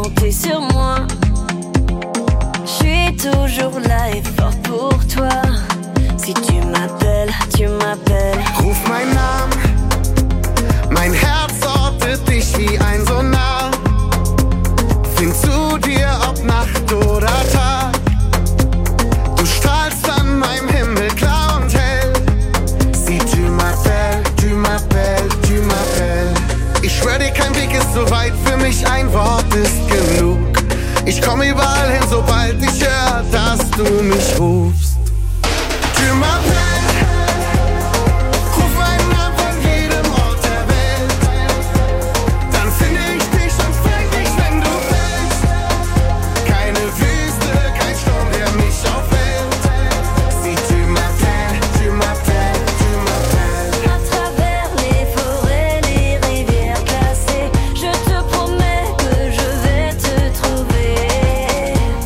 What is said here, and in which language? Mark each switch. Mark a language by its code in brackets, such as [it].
[fr] sur moi, je suis toujours là et fort pour toi. Si tu m'appelles, tu m'appelles. [de] Ruf meinen Namen, mein Herz ortet dich wie ein Sonar. Find zu dir, ob Nacht oder Tag. Du strahlst an meinem Himmel klar und hell. [fr] Si tu m'appelles, tu m'appelles, tu m'appelles. [de] Ich schwör dir, kein Weg ist so weit für mich, ein Wort ist genug. Ich komm überall hin, sobald ich hör, dass du mich rufst. [fr] Tu m'appelles, [de] ruf meinen Namen von jedem Ort der Welt. Dann finde ich dich und zeig dich, wenn du willst. Keine Wüste, kein Sturm, der mich aufhält. [fr] Sieh, tu m'appelles, tu m'appelles, tu m'appelles. À travers les forêts, les rivières glacées, je te promets que je vais te trouver.